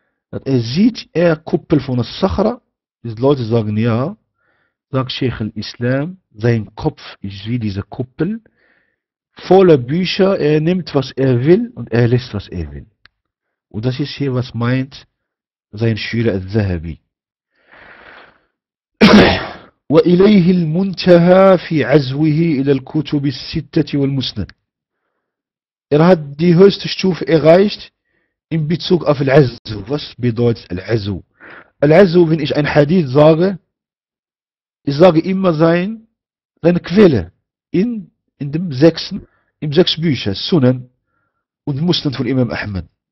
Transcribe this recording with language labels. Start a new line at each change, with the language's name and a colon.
German: Er sieht eher Kuppel von al-Sakhra, diese Leute sagen ja, sagt Sheikh al-Islam, sein Kopf ist wie diese Kuppel, voller Bücher, er nimmt, was er will und er lässt, was er will. Und das ist hier, was meint sein Schüler al-Zahabi.
Arabic: وإليه المنتهى في عزوه إلى الكتب الستة والمسند.
German: Er hat die höchste Stufe erreicht in Bezug auf العزو. Was bedeutet العزو? العزو, wenn ich ein Hadith sage, ich sage immer seine Quelle in dem sechsten, im sechs Bücher, Sunan und Musnad von Imam Ahmad.